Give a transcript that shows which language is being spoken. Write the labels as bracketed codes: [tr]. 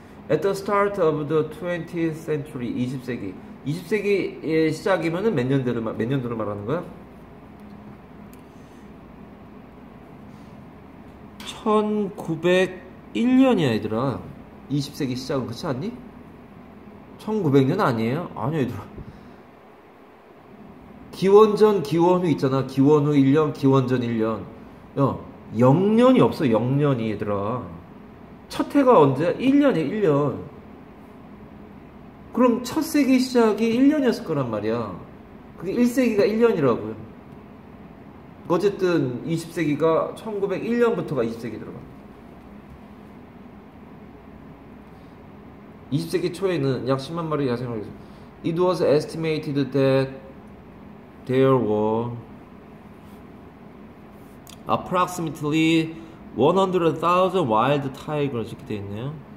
[en] At the start of the 20th century, [ko] 20세기. 20세기의 시작이면은 몇 년대를, 몇 년도를 말하는 거야? 1901년이야, 얘들아. 20세기 시작은 그렇지 않니? 1900년 아니에요? 아니야, 얘들아. 기원전, 기원후 있잖아. 기원후 1년, 기원전 1년. 야, 0년이 없어, 0년이, 얘들아. 첫 해가 언제야? 1년이야, 1년. 그럼 첫 세기 시작이 1년이었을 거란 말이야. 그게 1세기가 1년이라고요. 어쨌든 20세기가 1901년부터가 20세기 들어가. 20세기 초에는 약 10만 마리 야생화가 있어. [en] It was estimated that there were approximately 100,000 wild tigers [ko] 이렇게 되어 있네요.